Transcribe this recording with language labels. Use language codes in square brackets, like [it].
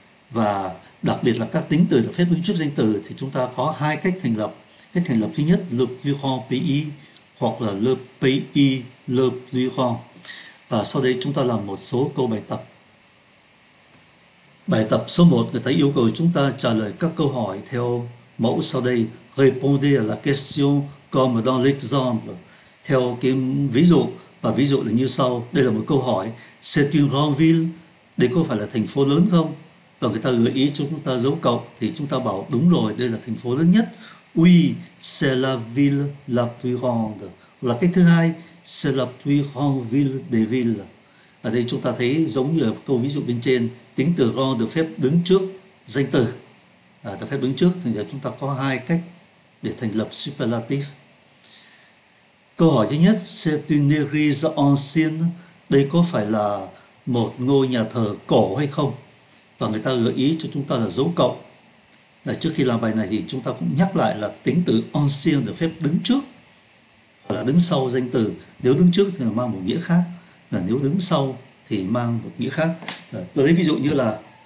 [vi] Và đặc biệt là các tính từ được phép đứng trước danh từ thì chúng ta có hai cách thành lập. Cách thành lập thứ nhất, [fr] le plus grand pays, hoặc là le pays le plus grand. [vi] Và sau đây chúng ta làm một số câu bài tập. Bài tập số 1, người ta yêu cầu chúng ta trả lời các câu hỏi theo mẫu sau đây. [fr] Répondez à la question comme dans l'exemple. [vi] Theo cái ví dụ, và ví dụ là như sau. Đây là một câu hỏi. [fr] C'est une grande ville. [vi] Đây có phải là thành phố lớn không? Và người ta gợi ý cho chúng ta dấu cộng thì chúng ta bảo đúng rồi, đây là thành phố lớn nhất. [fr] Oui, c'est la ville la plus grande. [vi] Là cái thứ hai, [fr] c'est la plus grande ville des villes. [vi] Ở đây chúng ta thấy giống như ở câu ví dụ bên trên, tính từ grand được phép đứng trước danh từ. Được phép đứng trước, thành ra chúng ta có hai cách để thành lập superlative. Câu hỏi thứ nhất, [fr] c'est une église ancienne. [vi] Đây có phải là một ngôi nhà thờ cổ hay không? Và người ta gợi ý cho chúng ta là dấu cộng. Là trước khi làm bài này thì chúng ta cũng nhắc lại là tính từ ancien được phép đứng trước hoặc là đứng sau danh từ. Nếu đứng trước thì mang một nghĩa khác, và nếu đứng sau thì mang một nghĩa khác. Tôi lấy ví dụ như là